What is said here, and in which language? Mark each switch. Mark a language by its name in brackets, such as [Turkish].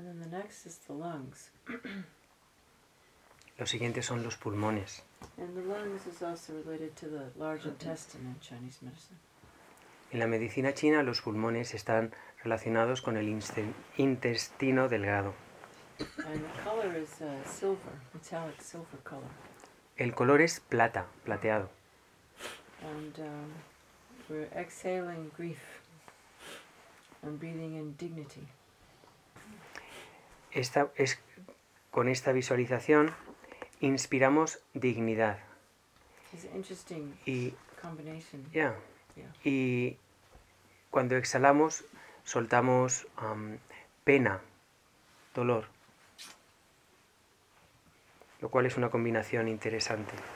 [English] next is the lungs. [Spanish] Los siguientes son los pulmones. [English] And the lungs is also related to the large intestine in Chinese medicine. [Spanish] En la medicina china, los pulmones están relacionados con el intestino delgado. [English] And the color is silver, metallic silver color. [Spanish] El color es plata, plateado. [English] And we're exhaling grief and breathing in dignity. [Spanish] Esta es, con esta visualización inspiramos dignidad. [English] It's an interesting [Spanish] y, [English] combination. [Spanish] Y cuando exhalamos soltamos pena, dolor, lo cual es una combinación interesante.